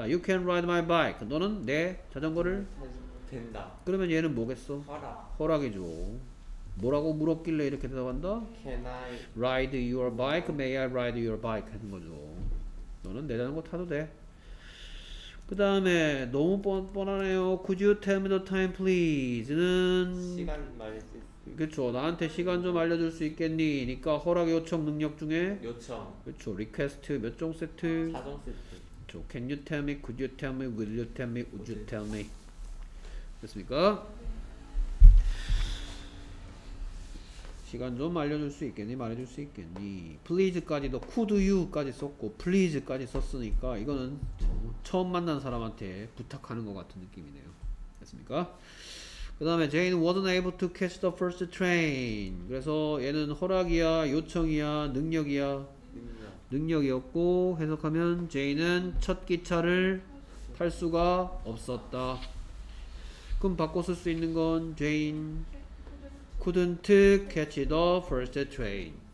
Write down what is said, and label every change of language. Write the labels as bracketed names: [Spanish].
[English] You can ride my bike. [Korean] 너는 내 자전거를 된다. 그러면 얘는 뭐겠어? 허락. 허락이죠. 뭐라고 물었길래 이렇게 대답한다? [English] Can I ride your bike? May I ride your bike? [Korean] 하는 거죠. 너는 내 자전거 타도 돼. 그 다음에 너무 뻔하네요. [English] Could you tell me the time please?는 [Korean] 시간 말해주세요. 그렇죠. 나한테 시간 좀 알려줄 수 있겠니? 그러니까 허락 요청 능력 중에 요청. 그렇죠. 리퀘스트 몇 종 세트? 4종 세트. [English] 그렇죠. Can you tell me? Could you tell me? Will you tell me? Would you tell me? 됐습니까? [Korean] 시간 좀 알려줄 수 있겠니? 말해줄 수 있겠니? Please까지도 Could you까지 썼고 Please까지 썼으니까 이거는 처음 만난 사람한테 부탁하는 것 같은 느낌이네요. 됐습니까? [English] 그 다음에 Jane wasn't able to catch the first train. [Korean] 그래서 얘는 허락이야, 요청이야, 능력이야? 능력이었고 해석하면 Jane은 첫 기차를 탈 수가 없었다. 그럼 바꿔 쓸 수 있는 건 [English] Jane couldn't catch the first train.